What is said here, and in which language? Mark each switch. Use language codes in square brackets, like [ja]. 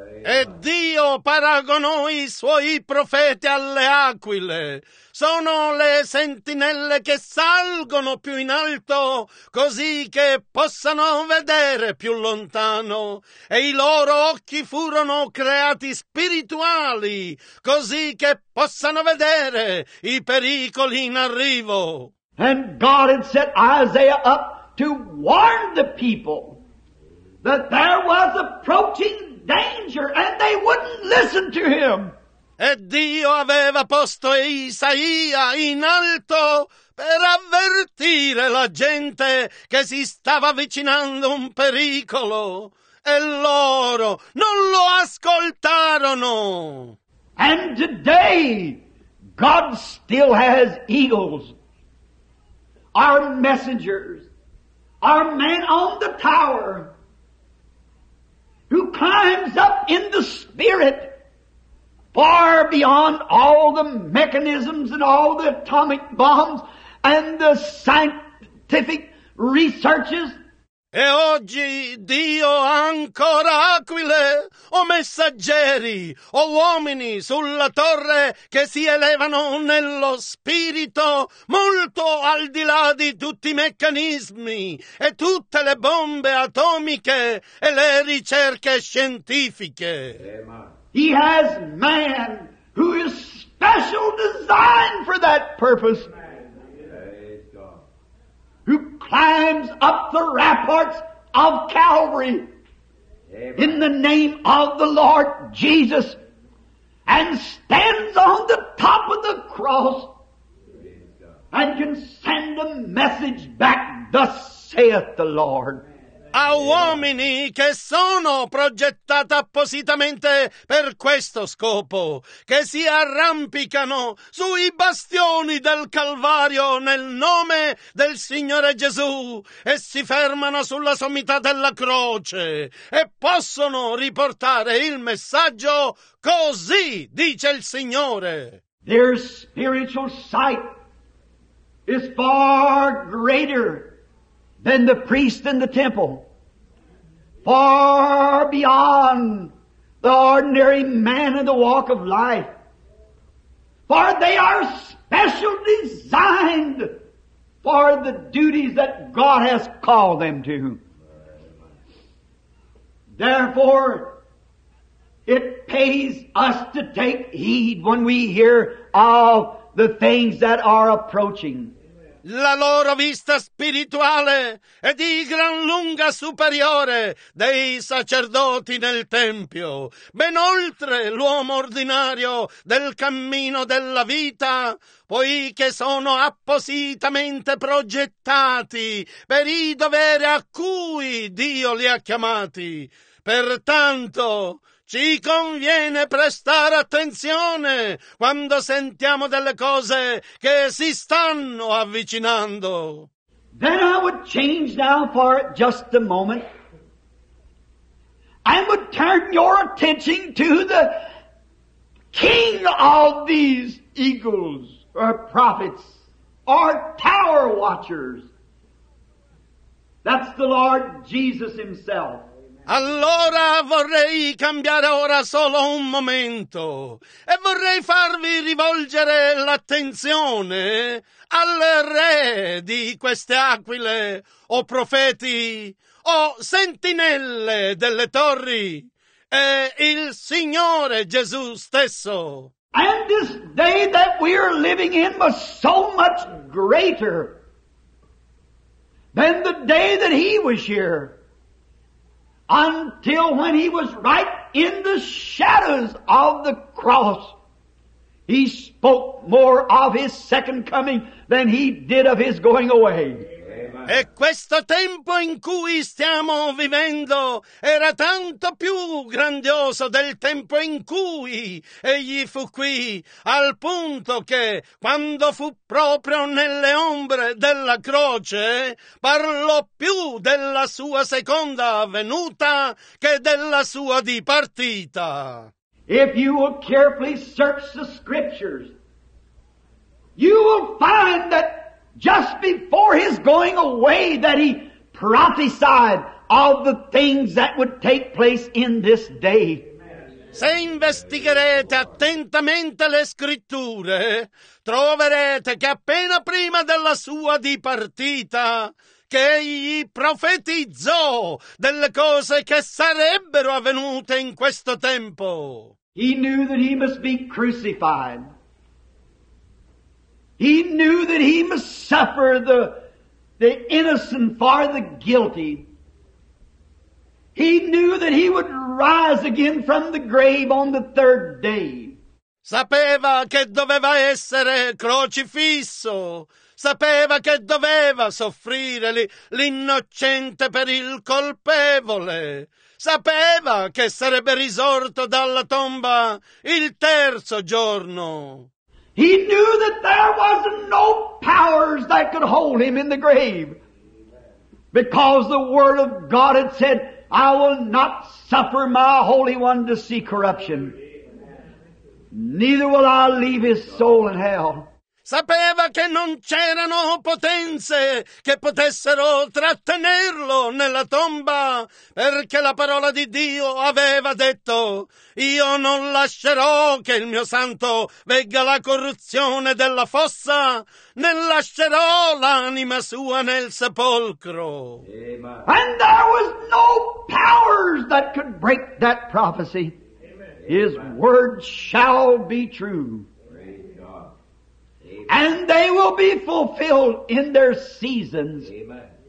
[it] E Dio paragonò i suoi profeti alle aquile. Sono le sentinelle che salgono più in alto, così che possano vedere più lontano. E i loro occhi furono creati spirituali, così che possano vedere i pericoli in arrivo. [en] And God had set Isaiah up to warn the people that there was approaching danger, and they wouldn't listen to him. [it] E Dio aveva posto Isaia in alto per avvertire la gente che si stava avvicinando un pericolo, e loro non lo ascoltarono. [en] And today, God still has eagles, our messengers, our men on the tower, who climbs up in the spirit, far beyond all the mechanisms and all the atomic bombs and the scientific researches. [it] E oggi Dio ha ancora aquile, o messaggeri, o uomini sulla torre che si elevano nello spirito molto al di là di tutti i meccanismi e tutte le bombe atomiche e le ricerche scientifiche. [en] He has man who is special designed for that purpose. Who climbs up the ramparts of Calvary. Amen. In the name of the Lord Jesus, and stands on the top of the cross and can send a message back, thus saith the Lord. [it] A uomini che sono progettati appositamente per questo scopo, che si arrampicano sui bastioni del Calvario nel nome del Signore Gesù e si fermano sulla sommità della croce e possono riportare il messaggio così, dice il Signore. [en] Their spiritual sight is far greater than the priest in the temple. Far beyond the ordinary man in the walk of life. For they are special designed for the duties that God has called them to. Therefore, it pays us to take heed when we hear of the things that are approaching. [it] La loro vista spirituale è di gran lunga superiore dei sacerdoti nel Tempio, ben oltre l'uomo ordinario del cammino della vita, poiché sono appositamente progettati per i doveri a cui Dio li ha chiamati. Pertanto, ci conviene prestare attenzione quando sentiamo delle cose che si stanno avvicinando. [en] Then I would change now for just a moment and would turn your attention to the king of these eagles or prophets or tower watchers. That's the Lord Jesus himself. [it] Allora vorrei cambiare ora solo un momento e vorrei farvi rivolgere l'attenzione al re di queste aquile, o profeti, o sentinelle delle torri, e il Signore Gesù stesso. [en] And this day that we are living in was so much greater than the day that he was here. Until when he was right in the shadows of the cross, he spoke more of his second coming than he did of his going away. Amen. [it] E questo tempo in cui stiamo vivendo era tanto più grandioso del tempo in cui egli fu qui, al punto che, quando fu proprio nelle ombre della croce, parlò più della sua seconda venuta che della sua dipartita. [en] If you will carefully search the scriptures, you will find that just before his going away that he prophesied of the things that would take place in this day. [it] Se investigherete attentamente le scritture, troverete che appena prima della sua dipartita, che egli profetizzò delle cose che sarebbero avvenute in questo tempo. [en] He knew that he must be crucified. He knew that he must suffer the innocent for the guilty. He knew that he would rise again from the grave on the third day. [it] Sapeva che doveva essere crocifisso. Sapeva che doveva soffrire l'innocente per il colpevole. Sapeva che sarebbe risorto dalla tomba il terzo giorno. [en] He knew that there was no powers that could hold him in the grave, because the word of God had said, I will not suffer my Holy One to see corruption, neither will I leave his soul in hell. [it] Sapeva che non c'erano potenze che potessero trattenerlo nella tomba, perché la parola di Dio aveva detto, io non lascerò che il mio santo vegga la corruzione della fossa, né lascerò l'anima sua nel sepolcro. [en] And there was no powers that could break that prophecy. His word shall be true. And they will be fulfilled in their seasons. Amen.